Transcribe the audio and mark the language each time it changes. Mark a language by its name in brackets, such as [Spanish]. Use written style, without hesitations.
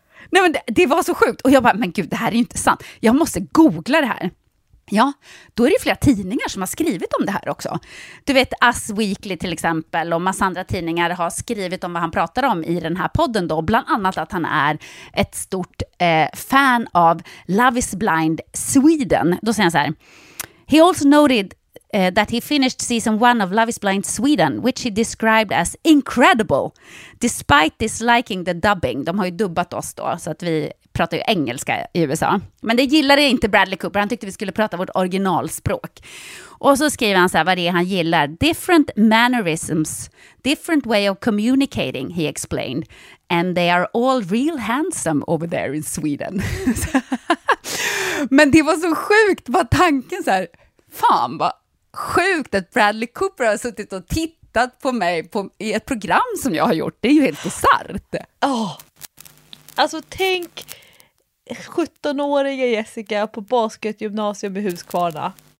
[Swedish] Nej men det var så sjukt, och jag bara, men gud, det här är ju inte sant. Jag måste googla det här. Ja, då är det flera tidningar som har skrivit om det här också. Du vet, Us Weekly till exempel och massa andra tidningar har skrivit om vad han pratar om i den här podden då. Bland annat att han är ett stort fan av Love is Blind Sweden. Då säger han så här, [English] he also noted that he finished season one of Love is Blind Sweden, which he described as incredible, despite disliking the dubbing. [Swedish] De har ju dubbat oss då, så att vi pratar ju engelska i USA. Men det gillade inte Bradley Cooper. Han tyckte vi skulle prata vårt originalspråk. Och så skriver han så här, vad det är han gillar. [English] Different mannerisms, different way of communicating, he explained. And they are all real handsome over there in Sweden. [Swedish] Men det var så sjukt, vad tanken så här. Fan, vad sjukt att Bradley Cooper har suttit och tittat på mig i ett program som jag har gjort. Det är ju helt bizarrt. Oh. Alltså tänk 17-åriga Jessica på basketgymnasium i Huskvarna.